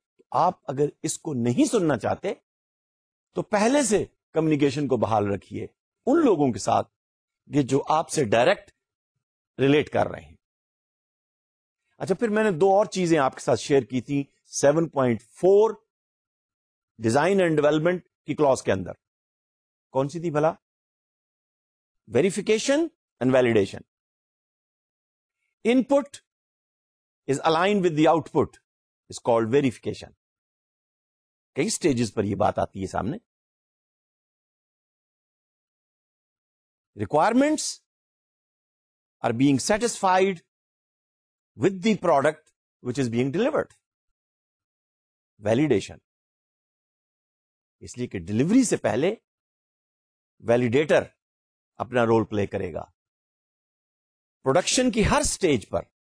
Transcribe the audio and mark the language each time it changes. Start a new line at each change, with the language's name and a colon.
Urdu: آپ اگر اس کو نہیں سننا چاہتے تو پہلے سے کمیونیکیشن کو بحال رکھیے ان لوگوں کے ساتھ جو آپ سے ڈائریکٹ ریلیٹ کر رہے ہیں. اچھا پھر میں نے دو اور چیزیں آپ کے ساتھ شیئر کی تھی 7.4 ڈیزائن اینڈ ڈیولپمنٹ کی کلاس کے اندر. کون سی تھی بھلا؟ Verification and validation.
English: Input is aligned with the output is called verification.
Urdu: کئی سٹیجز پر یہ بات آتی ہے سامنے.
English: Requirements are being satisfied with the product which is being delivered.
Urdu: Validation اس لیے کہ ڈیلیوری سے پہلے ویلیڈیٹر اپنا رول پلے کرے گا پروڈکشن کی ہر سٹیج پر.